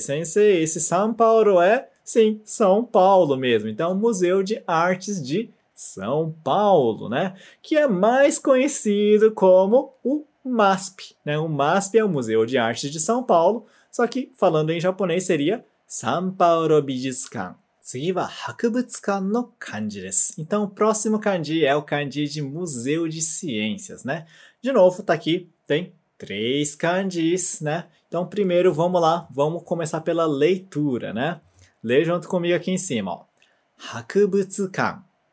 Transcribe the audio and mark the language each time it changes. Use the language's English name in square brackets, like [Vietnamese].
[Portuguese] Sensei, esse São Paulo é, sim, São Paulo mesmo. Então, Museu de Artes de São Paulo, né? Que é mais conhecido como o MASP, né? O MASP é o Museu de Arte de São Paulo, só que falando em japonês seria Sampaoro Bijutsukan. [Japanese] 次は博物館の漢字です。 [Portuguese] Então, o próximo kanji é o kanji de Museu de Ciências, né? De novo, tá aqui, tem três kanjis, né? Então, primeiro, vamos lá, vamos começar pela leitura, né? Lê junto comigo aqui em cima, ó. [Japanese] 博物館.